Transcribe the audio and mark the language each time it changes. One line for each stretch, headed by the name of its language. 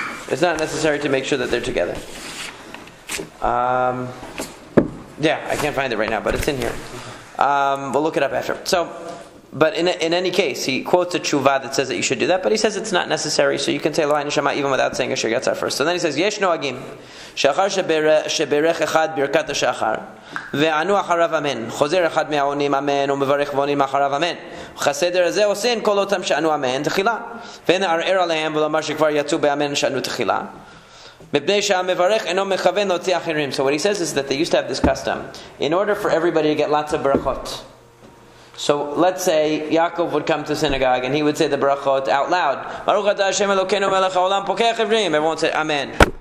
English: It's not necessary to make sure that they're together. I can't find it right now, but it's in here. We'll look it up after. So, but in any case, he quotes a tshuva that says that you should do that, but he says it's not necessary, so you can say Elohai Neshama even without saying Asher Yatzar first. So then he says, Yesh Noagim.
Hebrew: שאחר שברך אחד ברכת השחר וענו אחריו אמן חוזר אחד מהעונים אמן ומברך ועונים אחריו אמן וכסדר הזה עושים כל אותם שענו אמן תחילה ואין ערער עליהם ולומר שכבר יצאו באמן שענו תחילה מפני שהמברך אינו מכוון להוציא אחרים.
English: So what he says is that they used to have this custom in order for everybody to get lots of ברכות. So let's say Yaakov would come to synagogue and he would say the brachot out loud.
Hebrew: Baruch Ata Hashem Elokeinu Melech Haolam Pokeach Evrim.
English: Everyone would say Amen.